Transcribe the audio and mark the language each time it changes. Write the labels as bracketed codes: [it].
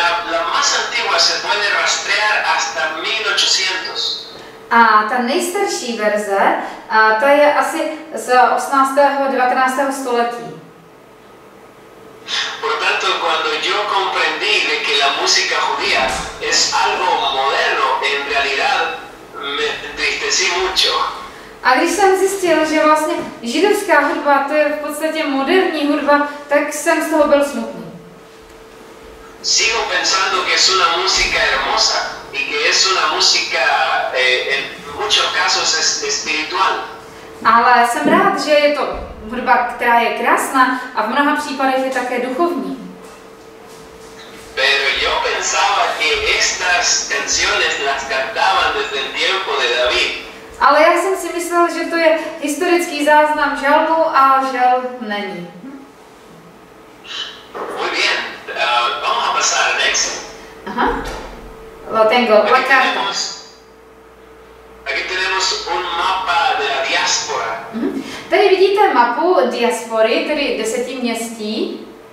[es] La más antigua se puede rastrear hasta 1800. [cs] A ta nejstarší verze, a ta je asi z 18. 19. století. [es] Por tanto, cuando yo comprendí de que la música judía es algo moderno, en realidad me entristecí mucho. [cs] A když jsem zjistil, že vlastně židovská hudba to je v podstatě moderní hudba, tak jsem z toho byl smutný. [es] Sigo pensando que es una música hermosa y que es una música en muchos casos es espiritual. [cs] Ale jsem rád, že je to hudba, která je krásná a v mnoha případech je také duchovní. [es] Pero yo pensaba que estas canciones las cantaban desde el tiempo de David. [cs] Ale já jsem si myslel, že to je historický záznam žalmu a žal není. [es] Muy bien. Vamos a pasar al next. Aha. Lo tengo. Aquí tenemos, un mapa de la diáspora. [cs] Tady vidíte mapu diaspory, tedy deseti městí.